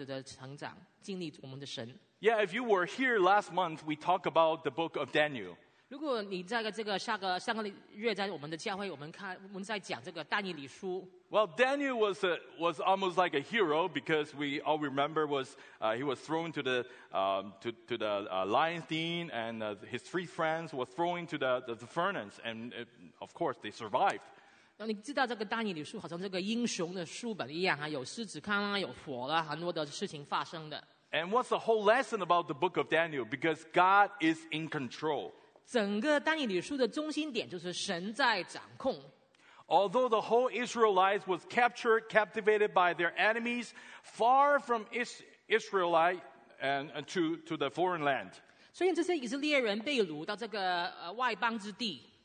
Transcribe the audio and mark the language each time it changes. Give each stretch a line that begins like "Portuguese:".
Chinese: 这就是我自己的成长的经历，我也希望这里所有的第二代可以这样子的成长，经历我们的神。Yeah,
English: if you were here last month, we talked about the book of Daniel.
Chinese: 如果你在这个上个月在我们的教会，我们在讲这个但以理书。
English: Well, Daniel was almost like a hero because we all remember was he was thrown to the lion's den, and his three friends were thrown to the furnace, and of course they survived.
Chinese: 你知道这个但以理书好像这个英雄的书本一样，有狮子看啊，有火了，很多的事情发生的。
English: And what's the whole lesson about the book of Daniel? Because God is in control.
Chinese: 整个但以理书的中心点就是神在掌控。
English: Although the whole Israelites was captured, captivated by their enemies, far from Israelite and to the foreign land.
Chinese: 所以这些以色列人被掳到这个外邦之地。